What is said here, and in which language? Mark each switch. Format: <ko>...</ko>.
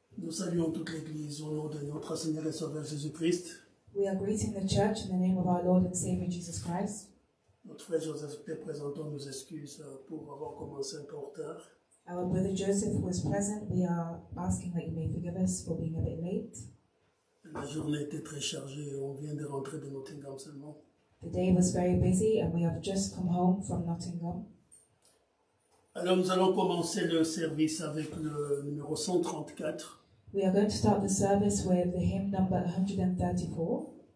<fr>Nous saluons toute l'Église au nom de notre Seigneur et Sauveur Jésus-Christ.</fr> <en>We are greeting the church in the name of our Lord and Savior Jesus Christ.</en> <fr>Notre frère Joseph était présent, nous excuse pour avoir commencé un peu en retard.</fr> <en>Our brother Joseph was present. We are asking that you may forgive us for being a bit late.</en> <fr>La journée était très chargée. On vient de rentrer de Nottingham seulement.</fr> <en>The day was very busy and we have just come home from Nottingham.</en> <fr>Alors nous allons commencer le service avec le numéro 134.</fr> <en>We are going to start the service with the hymn number 134.</en>